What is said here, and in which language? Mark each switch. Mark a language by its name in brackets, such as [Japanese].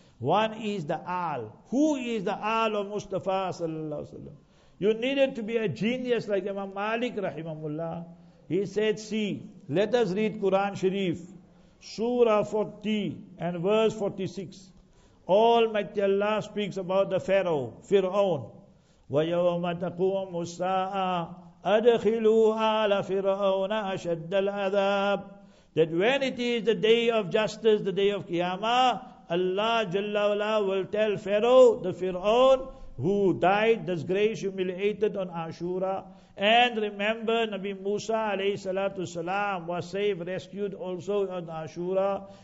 [English] One is the Al. Who is the Al of Mustafa sallallahu alayhi wa sallam? You needed to be a genius like Imam Malik rahimahullah. He said, see, let us read Quran Sharif, Surah 40 and verse 46. Almighty Allah speaks about the Pharaoh, Fir'aun. [Arabic] وَيَوْمَ تَقُومُ السَّاءَةِ أدخلوا آل فرعون أشد العذاب. [English] That when it is the day of justice, the day of Qiyamah, Allah Jalla Wala will tell Pharaoh, the Fir'aun, who died, disgraced, humiliated on Ashura. And remember, Nabi Musa alayhi salatu salam was saved, rescued also on Ashura.